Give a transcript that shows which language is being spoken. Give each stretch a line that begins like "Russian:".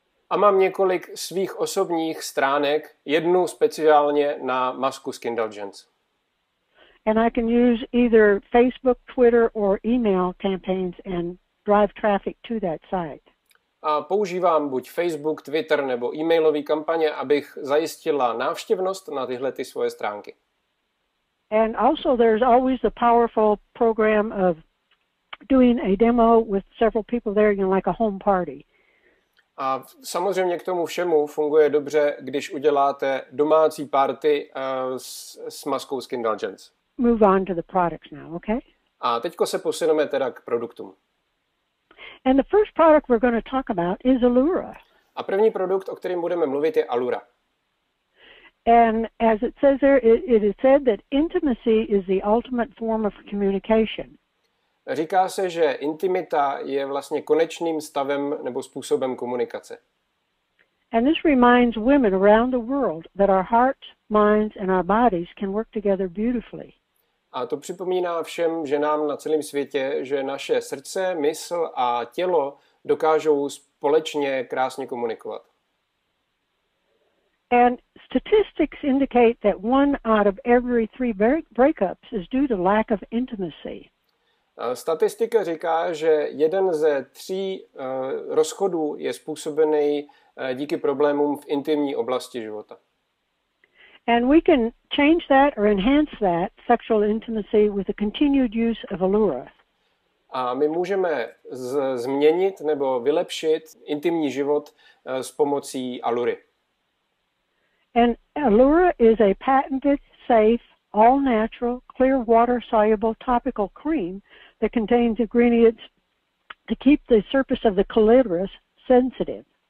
Czech: A mám několik svých osobních stránek, jednu speciálně na masku Skindulgence.
English: And I can use either Facebook, Twitter, or email campaigns and drive traffic to that site.
Czech: A používám buď Facebook, Twitter nebo e-mailové kampaně, abych zajistila návštěvnost na tyhle ty svoje stránky.
English: And also there's always the powerful program of doing a demo with several people there, you know, like a home party.
Czech: A samozřejmě k tomu všemu funguje dobře, když uděláte domácí party s maskou Skindulgence.
English: Move on to the products now, okay?
Czech: A teďko se posuneme teda k produktům.
English: And the first product we're going to talk about is Allura.
Czech: A první produkt, o kterém budeme mluvit, je Allura.
English: And as it says there, it is said that intimacy is the ultimate form of communication.
Czech: Říká se, že intimita je vlastně konečným stavem nebo způsobem komunikace.
English: And this reminds women around the world that our hearts, minds and our bodies can work together beautifully.
Czech: A to připomíná všem ženám na celém světě, že naše srdce, mysl a tělo dokážou společně krásně komunikovat.
English: And statistics indicate that one out of every three breakups is due to lack of intimacy.
Czech: Statistika říká, že jeden ze tří rozchodů je způsobený díky problémům v intimní oblasti života.
English: And we can change that or enhance that sexual intimacy with the continued use of Allura.
Czech: A my můžeme změnit nebo vylepšit intimní život s pomocí Allury.
English: And Allura is a patented, safe, all-natural, clear water-soluble topical cream that contains ingredients to keep the surface of the clitoris sensitive.